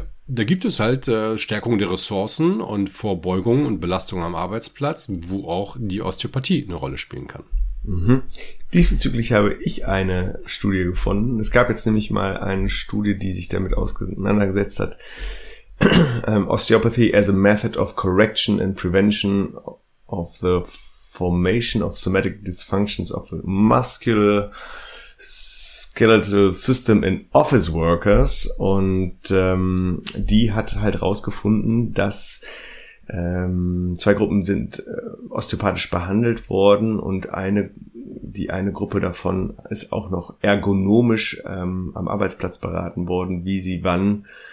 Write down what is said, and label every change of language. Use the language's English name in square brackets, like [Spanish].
[German] Da gibt es halt Stärkung der Ressourcen und Vorbeugung und Belastung am Arbeitsplatz, wo auch die Osteopathie eine Rolle spielen kann. Mhm. Diesbezüglich habe ich eine Studie gefunden. Es gab jetzt nämlich mal eine Studie, die sich damit auseinandergesetzt hat. [English] Osteopathy as a method of correction and prevention of the formation of somatic dysfunctions of the muscular skeletal system in office workers. [German] Und die hat halt rausgefunden, dass zwei Gruppen sind osteopathisch behandelt worden, und die eine Gruppe davon ist auch noch ergonomisch am Arbeitsplatz beraten worden, wie sie wann